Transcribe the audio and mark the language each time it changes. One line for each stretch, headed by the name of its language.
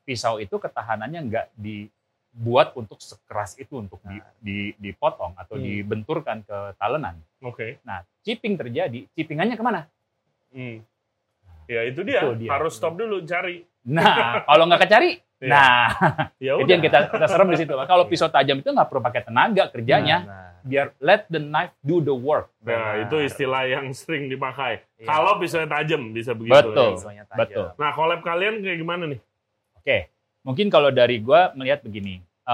Indonesian: Pisau itu ketahanannya nggak dibuat untuk sekeras itu, untuk dipotong atau dibenturkan ke talenan. Oke.
English: Okay.
Indonesian: Nah, chipping terjadi, chippingannya kemana? Hmm. Ya, itu dia. Harus stop dulu, cari. Nah, kalau nggak kecari, itu yang kita serem di situ. Kalau pisau tajam itu nggak perlu pakai tenaga kerjanya. Biar
English: let the knife do the work.
Indonesian: Nah, itu istilah yang sering dipakai. Ya. Kalau pisaunya tajam, bisa begitu. Betul. Ya. Betul. Nah, collab kalian kayak gimana nih? Oke. Okay. Mungkin kalau dari gue melihat begini.